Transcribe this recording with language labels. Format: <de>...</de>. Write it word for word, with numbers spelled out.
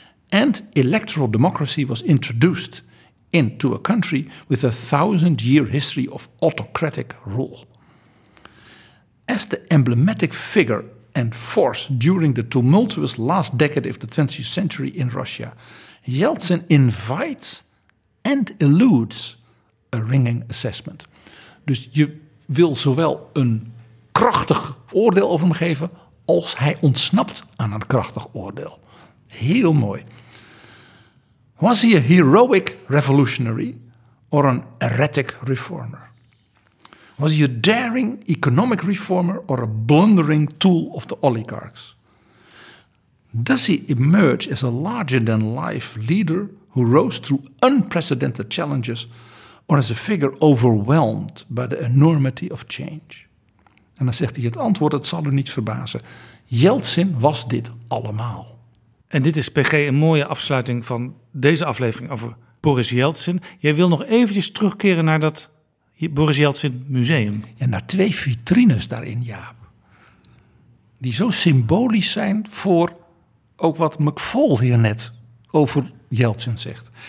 <en>and electoral democracy was introduced into a country with a thousand-year history of autocratic rule. As the emblematic figure and force during the tumultuous last decade of the twentieth century in Russia, Yeltsin invites and eludes a ringing assessment.</en> <nl>Dus je wil zowel een krachtig oordeel over hem geven, als hij ontsnapt aan een krachtig oordeel. Heel mooi.</nl> <en>Was he a heroic revolutionary or an erratic reformer? Was he a daring economic reformer or a blundering tool of the oligarchs? Does he emerge as a larger-than-life leader who rose through unprecedented challenges, or as a figure overwhelmed by the enormity of change?</en> <nl>En dan zegt hij het antwoord, het zal u niet verbazen. Yeltsin was dit allemaal. En dit is, P G, een mooie afsluiting van deze aflevering over Boris Yeltsin. Jij wil nog eventjes terugkeren naar dat Boris Yeltsin museum. Ja, naar twee vitrines daarin, Jaap. Die zo symbolisch zijn voor ook wat McFaul hier net over Yeltsin zegt.</nl>